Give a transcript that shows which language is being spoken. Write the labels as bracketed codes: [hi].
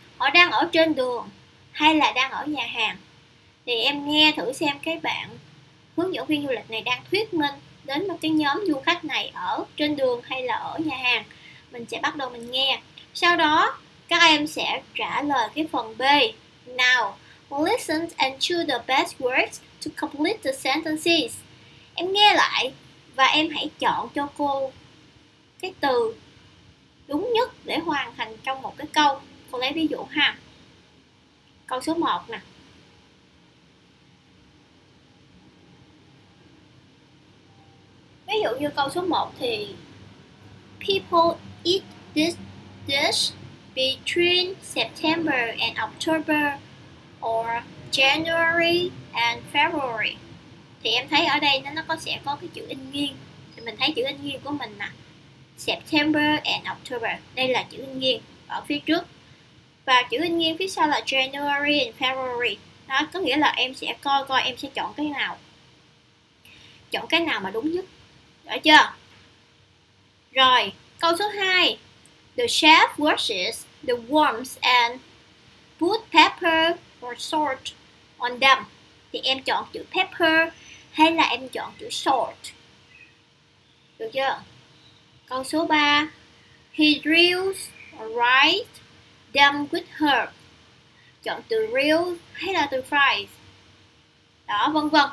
[vi] Họ đang ở trên đường hay là đang ở nhà hàng? Thì em nghe thử xem cái bạn hướng dẫn viên du lịch này đang thuyết minh đến một cái nhóm du khách này ở trên đường hay là ở nhà hàng. Mình sẽ bắt đầu mình nghe. Sau đó các em sẽ trả lời cái phần B. [en] Now, listen and choose the best words to complete the sentences. [vi] Em nghe lại và em hãy chọn cho cô cái từ đúng nhất để hoàn thành trong một cái câu. Cô lấy ví dụ ha. Câu số 1 nè. giống như câu số 1 thì [en] people eat this dish between September and October or January and February. [vi] Thì em thấy ở đây nó có sẽ có cái chữ in nghiêng. Thì mình thấy chữ in nghiêng của mình là [en] September and October. [vi] Đây là chữ in nghiêng ở phía trước. Và chữ in nghiêng phía sau là [en] January and February. [vi] Đó, có nghĩa là em sẽ coi em sẽ chọn cái nào. Chọn cái nào mà đúng nhất. Được chưa? Rồi, câu số 2. [en] The chef washes the worms and put pepper or salt on them. [vi] Thì em chọn chữ pepper hay là em chọn chữ salt? Được chưa? Câu số 3. [en] He drills or fries them with herb. [vi] Chọn từ real hay là từ fries? Đó, vân vân.